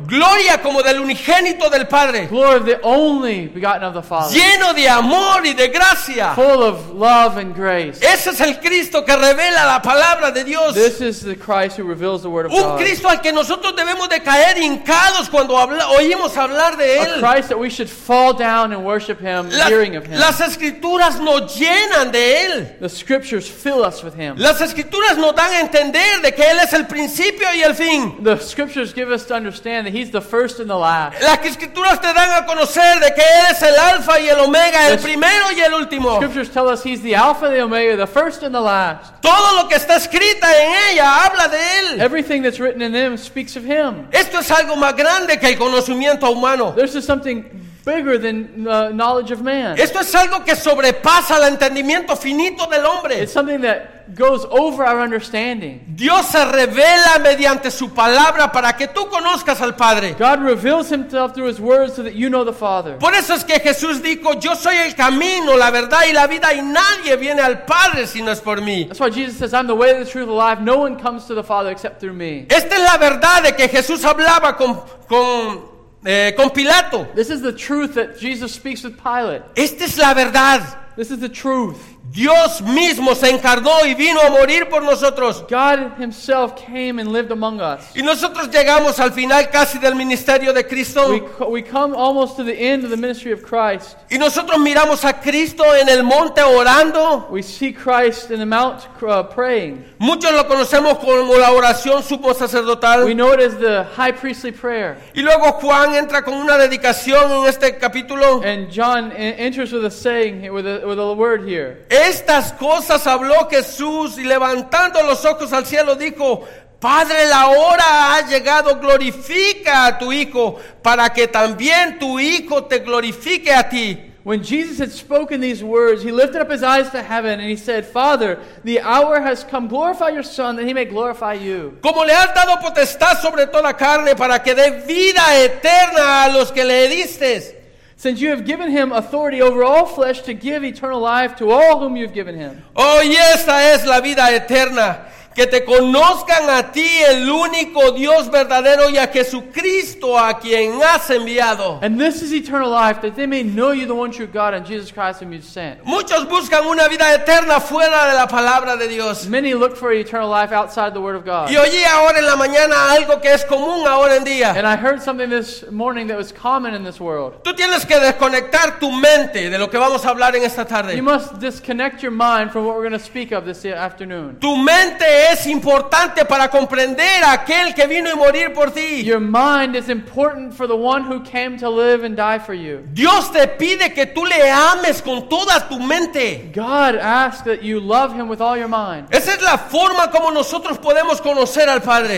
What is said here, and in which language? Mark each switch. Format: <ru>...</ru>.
<es>Gloria como del unigénito del Padre.</es> <en>Glory of the only begotten of the Father.</en> <es>Lleno de amor y de gracia.</es> <en>Full of love and grace.</en> <es>Ese es el Cristo que revela la palabra de Dios.</es> <en>This is the Christ who reveals the word of un God.</en> <es>Un Cristo al que nosotros debemos de caer hincados cuando oímos hablar de él.</es> <en>A Christ that we should fall down and worship him, hearing of him.</en> <es>Las Escrituras nos llenan de él.</es> <en>The Scriptures fill us with him.</en> <es>Las Escrituras nos dan a entender de que él es el principio y el fin.</es> <en>The Scriptures give us to understand that he's the first and the last.</en> <es>Las Escrituras te dan a conocer de que él es el alfa y el omega, el primero y el último.</es> <en>The Scriptures tell us he's the alpha, the omega, the first and the last.</en> <es>Todo lo que está escrito en ella habla de él.</es> <en>Everything that's written in them speaks of him.</en> <es>Esto es algo más grande que el conocimiento humano.</es> <en>This is something bigger than the knowledge of man.</en> <es>Esto es algo que sobrepasa el entendimiento finito del hombre.</es> <en>It's something that goes over our understanding.</en> <es>Dios se revela mediante su palabra para que tú conozcas al Padre.</es> <en>God reveals himself through his word so that you know the Father.</en> <es>Por eso es que Jesús dijo, yo soy el camino, la verdad y la vida, y nadie viene al Padre si no es por mí.</es> <en>That's why Jesus says, I'm the way, the truth, the life. No one comes to the Father except through me.</en> <es>Esta es la verdad de que Jesús hablaba con Pilato.</es> <en>This is the truth that Jesus speaks with Pilate.</en> <es>Esta es la verdad.</es> <en>This is the truth.</en> <es>Dios mismo se encarnó y vino a morir por nosotros.</es> <en>God himself came and lived among us.</en> <es>Y nosotros llegamos al final casi del ministerio de Cristo.</es> <en>We come almost to the end of the ministry of Christ.</en> <es>Y nosotros miramos a Cristo en el monte orando.</es> <en>We see Christ in the mount praying.</en> <es>Muchos lo conocemos como la oración sumo sacerdotal.</es> <en>We know it as the high priestly prayer.</en> <es>Y luego Juan entra con una dedicación en este capítulo.</es> <en>And John enters with a saying, with a word here.</en> <es>Estas cosas habló Jesús y levantando los ojos al cielo dijo, Padre, la hora ha llegado, glorifica a tu Hijo para que también tu Hijo te glorifique a ti.</es> <en>When Jesus had spoken these words, he lifted up his eyes to heaven and he said, Father, the hour has come, glorify your Son that he may glorify you.</en> <es>Como le has dado potestad sobre toda carne para que dé vida eterna a los que le diste.</es> <en>Since you have given him authority over all flesh to give eternal life to all whom you have given him.</en> <es>Oh, esta es la vida eterna, que te conozcan a ti el único Dios verdadero y a Jesucristo a quien has enviado.</es> <en>And this is eternal life, that they may know you, the one true God, and Jesus Christ whom you sent.</en> <es>Muchos buscan una vida eterna fuera de la palabra de Dios.</es> <en>Many look for eternal life outside the word of God.</en> <es>Y oí ahora en la mañana algo que es común ahora en día.</es> <en>And I heard something this morning that was common in this world.</en> <es>Tú tienes que desconectar tu mente de lo que vamos a hablar en esta tarde.</es> <en>You must disconnect your mind from what we're going to speak of this afternoon.</en> <es>Tu mente es importante para comprender aquel que vino a morir por ti.</es> <en>Your mind is important for the one who came to live and die for you.</en> <es>Dios te pide que tú le ames con toda tu mente.</es> <en>God asks that you love him with all your mind.</en> <es>Esa es la forma como nosotros podemos conocer al Padre.</es>